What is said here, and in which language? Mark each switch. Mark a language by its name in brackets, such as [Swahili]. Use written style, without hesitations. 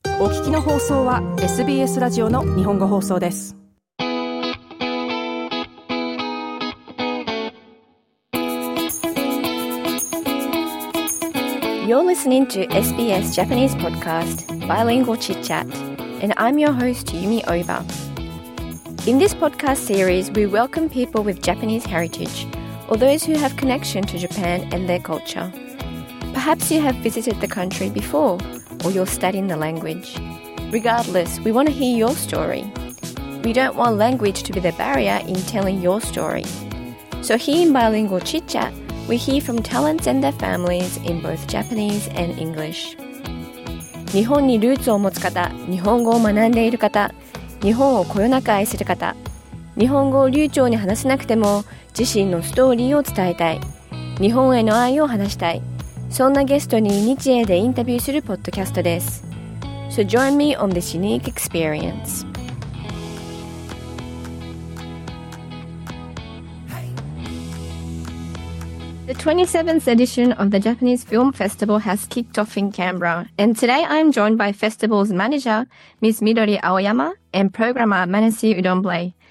[Japanese] お聞きの放送は SBS ラジオの日本語放送です。 [English] You're listening to SBS Japanese podcast, Bilingual Chit Chat, and I'm your host, Yumi Oba. In this podcast series, we welcome people with Japanese heritage, or those who have connection to Japan and their culture. Perhaps you have visited the country before, or you're studying the language. Regardless, we want to hear your story. We don't want language to be the barrier in telling your story. So here in Bilingual Chit Chat, we hear from talents and their families in both Japanese and English. [Japanese] 日本にルーツを持つ方、日本語を学んでいる方、日本をこよなく愛する方、日本語を流暢に話せなくても自身のストーリーを伝えたい、日本への愛を話したい、そんなゲストに日英でインタビューするポッドキャストです。 [English] So join me on this unique experience. The 27th edition of the Japanese Film Festival has kicked off in Canberra. And today I'm joined by Festival's manager, Ms. Midori Aoyama, and programmer Manasi Udomble.